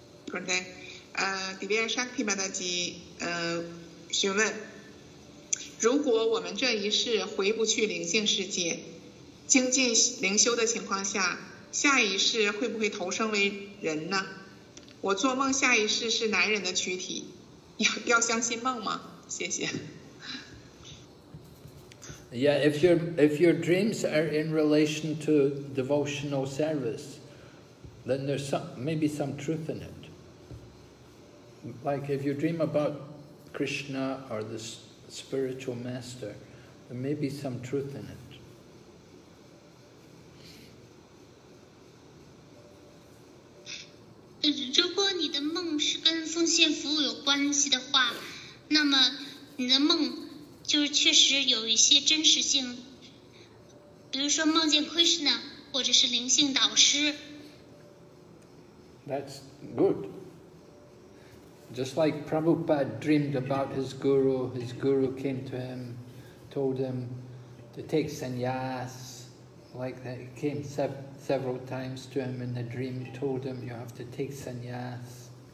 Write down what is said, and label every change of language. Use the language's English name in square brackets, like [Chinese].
[Chinese] 昆德，迪维亚沙克提玛达吉，询问，如果我们这一世回不去灵性世界，精进灵修的情况下，下一世会不会投生为人呢？我做梦下一世是男人的躯体。要相信梦吗？谢谢。 [English] Yeah, if your dreams are in relation to devotional service, then there's maybe some truth in it. Like if you dream about Krishna or the spiritual master, there may be some truth in it. [Chinese] 如果你的梦是跟奉献服务有关系的话，那么你的梦就是确实有一些真实性，比如说梦见 Krishna 或者是灵性导师。 [English] That's good. Just like Prabhupada dreamed about his guru came to him, told him to take sannyas, like that he came several times to him in the dream, told him you have to take sannyas.